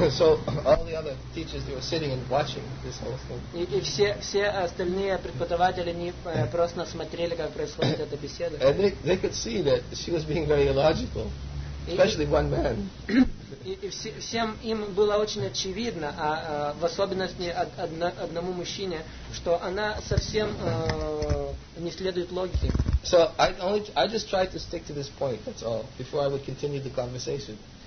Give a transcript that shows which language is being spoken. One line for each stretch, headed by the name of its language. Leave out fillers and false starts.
English: So all the other teachers, they were sitting and watching this whole thing.
Russian: И все остальные преподаватели, они просто смотрели, как происходит эта беседа.
English: And they could see that she was being very illogical, especially one man.
Russian: И всем им было очень очевидно, а в особенности одному мужчине, что она совсем не следует логике.
English: So I just tried to stick to this point, that's all, before I would continue the conversation.